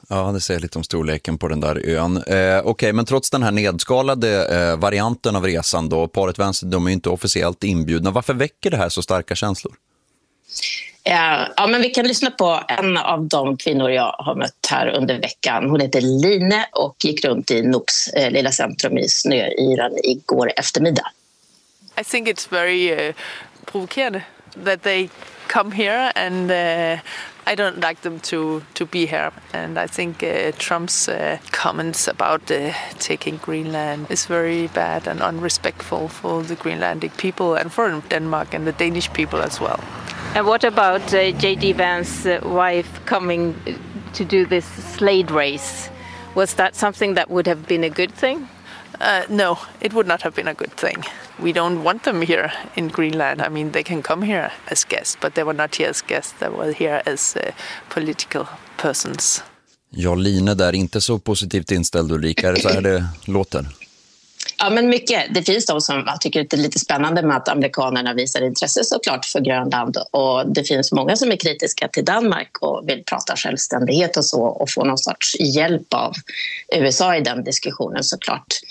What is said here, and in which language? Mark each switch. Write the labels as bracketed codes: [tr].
[sv] Ja, det säger lite om storleken på den där ön. Okej, men trots den här nedskalade varianten av resan då, paret Vance, de är ju inte officiellt inbjudna. Varför väcker det här så starka känslor? Ja, men vi kan lyssna på en av de kvinnor jag har mött här under veckan. Hon heter Line och gick runt i Nuuks lilla centrum i snöyran igår eftermiddag. [en] I think it's very provocative that they come here, and I don't like them to be here, and I think Trump's comments about taking Greenland is very bad and unrespectful for the Greenlandic people and for Denmark and the Danish people as well. And what about J.D. Vance's wife coming to do this sleigh race? Was that something that would have been a good thing? No, it would not have been a good thing. We don't want them here in Greenland. I mean, they can come here as guests, but they were not here as guests. They were here as political persons. [sv] Ja, Line där, inte så positivt inställd, Ulrika. Är det så här det låter? Ja, men mycket. Det finns de som tycker att det är lite spännande med att amerikanerna visar intresse såklart för Grönland. Och det finns många som är kritiska till Danmark och vill prata självständighet och så och få någon sorts hjälp av USA i den diskussionen såklart.